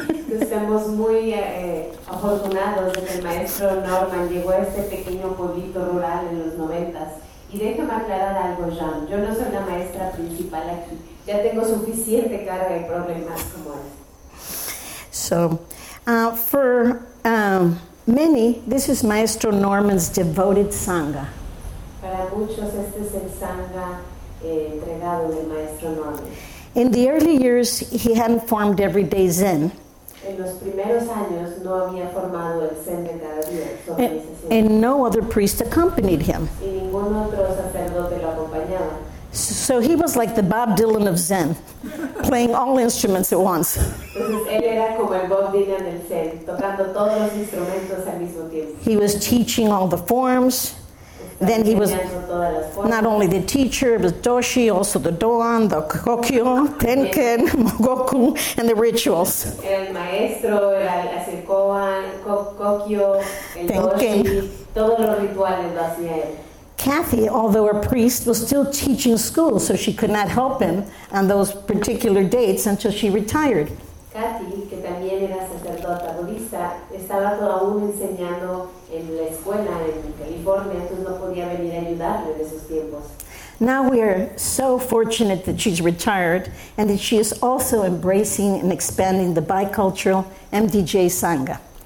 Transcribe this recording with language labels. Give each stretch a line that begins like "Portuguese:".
Spanish: Estamos muy afortunados de que el maestro Norman llegó a este pequeño pueblito rural en los 90s. Y déjame aclarar algo, Jean. Yo no soy la maestra principal aquí. Ya tengo suficiente carga de problemas como es.
English: So, for many, this is Maestro Norman's devoted sangha.
Spanish: Para muchos, este es el sangha entregado del maestro Norman.
English: In the early years, he hadn't formed everyday Zen.
Spanish: En los primeros años, no había formado el Zen de cada día.
English: And no other priest accompanied him.
Spanish: Y ningún otro sacerdote lo acompañaba.
English: So he was like the Bob Dylan of Zen, playing all instruments at once.
Spanish: Entonces, él era como el Bob Dylan del Zen, tocando todos los instrumentos al mismo tiempo.
English: He was teaching all the forms. Then he was not only the teacher, but Doshi, also the Doan, the Kokyo, Tenken, Mogoku, and the rituals.
Spanish: El maestro, el Kokyo, Tenken, todos los rituales lo hacía él.
English: Kathy, although a priest, was still teaching school, so she could not help him on those particular dates until she retired.
Spanish: Kathy, que también era sacerdota budista, estaba aún enseñando en la escuela en California, entonces no podía venir a ayudarle en esos tiempos.
English: Now we are so fortunate that she's retired and that she is also embracing and expanding the bicultural MDJ Sangha.